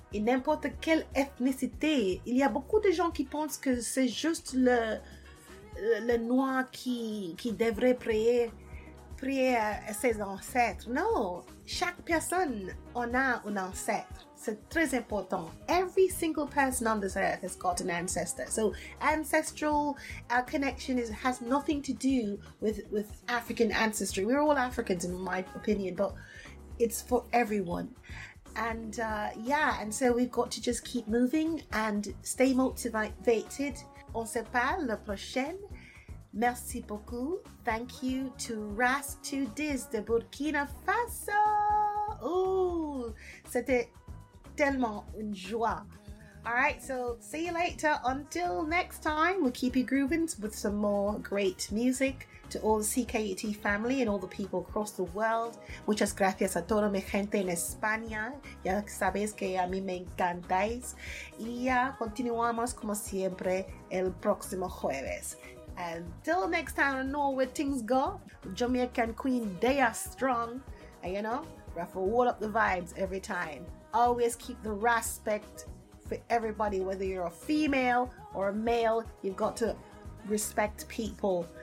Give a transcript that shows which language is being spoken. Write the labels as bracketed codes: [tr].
[fr] Et n'importe quelle ethnicité, il y a beaucoup de gens qui pensent que c'est juste le noir qui devrait prier à ses ancêtres. Non, chaque personne en a un ancêtre. C'est très important. [en] Every single person on this earth has got an ancestor. So ancestral connection has nothing to do with African ancestry. We're all Africans in my opinion, but it's for everyone. And and so we've got to just keep moving and stay motivated. [fr] On se parle la prochaine. Merci beaucoup. [en] Thank you to RAS2DIS de Burkina Faso. [fr] Ooh, c'était tellement une joie. [en] All right, so see you later. Until next time, we'll keep you grooving with some more great music. To all the CKUT family and all the people across the world. [es] Muchas gracias a toda mi gente en España. Ya sabes que a mí me encantáis. Y ya continuamos como siempre el próximo jueves. [en] Until next time, I know where things go. Jamaican Queen, they are strong. And you know, ruffle all up the vibes every time. Always keep the respect for everybody. Whether you're a female or a male, you've got to respect people.